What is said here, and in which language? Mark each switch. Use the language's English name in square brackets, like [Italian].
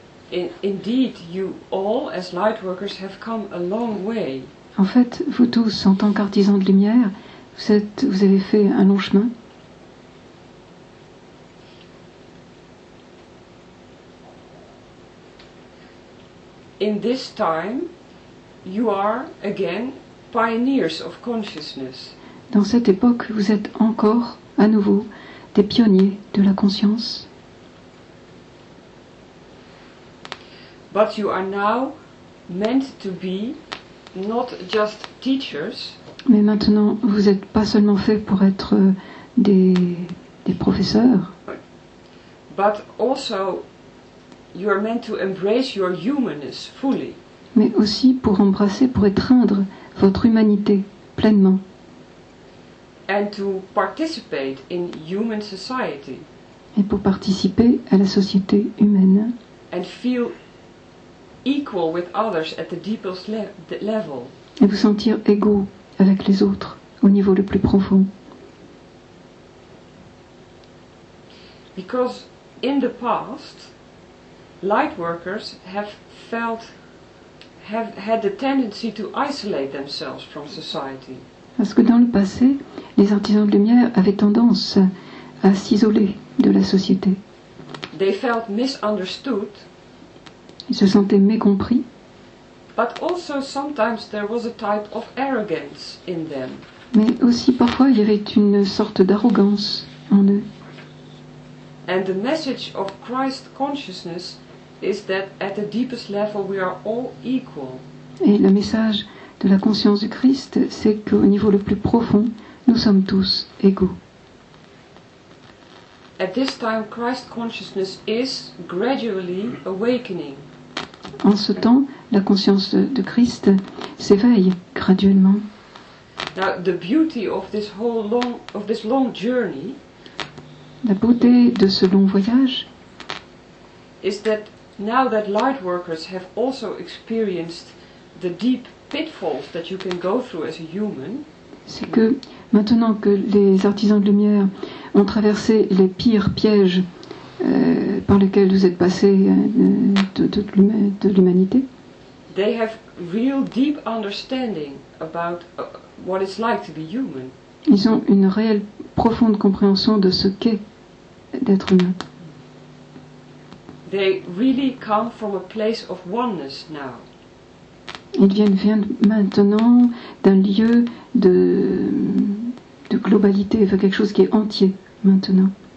[English] Indeed, you all, as lightworkers, have come a long way. [French] En fait, vous tous, en tant qu'artisans de lumière, vous avez fait un long chemin. [English] In this time, you are again pioneers of consciousness. [French] Dans cette époque, vous êtes encore, à nouveau, des pionniers de la conscience. [English] But you are now meant to be not just teachers. [French] Mais maintenant, vous n'êtes pas seulement fait pour être des professeurs. [English] But also, you are meant to embrace your humanness fully. [French] Mais aussi pour embrasser, pour étreindre votre humanité pleinement. [English] And to participate in human society. [French] Et pour participer à la société humaine. [English] And feel equal with others at the deepest level. [French] Et vous sentir égaux avec les autres au niveau le plus profond. [English] Because in the past, light workers have felt, have had the tendency to isolate themselves from society. [French] Parce que dans le passé, les artisans de lumière avaient tendance à s'isoler de la société. [English] They felt misunderstood. [French] Ils se sentaient mécompris. [English] But also sometimes there was a type of arrogance in them. [French] Mais aussi parfois il y avait une sorte d'arrogance en eux. [English] And the message of Christ consciousness is that at the deepest level we are all equal. [French] Et le message de la conscience du Christ, c'est qu'au niveau le plus profond, nous sommes tous égaux. [English] At this time, Christ consciousness is gradually awakening. [French] En ce temps, la conscience de Christ s'éveille graduellement. [English] Now, the beauty of this whole long of this long journey. [French] La beauté de ce long voyage. [English] Is that now that light workers have also experienced the deep pitfalls that you can go through as a human. [French] C'est que maintenant que les artisans de lumière ont traversé les pires pièges par lesquels vous êtes passés de l'humanité, [English] they have real deep understanding about what it's like to be human. [French] Ils ont une réelle profonde compréhension de ce qu'est d'être humain. [English] They really come from a place of oneness now. [French] Ils viennent maintenant d'un lieu de globalité, enfin quelque chose qui est entier maintenant.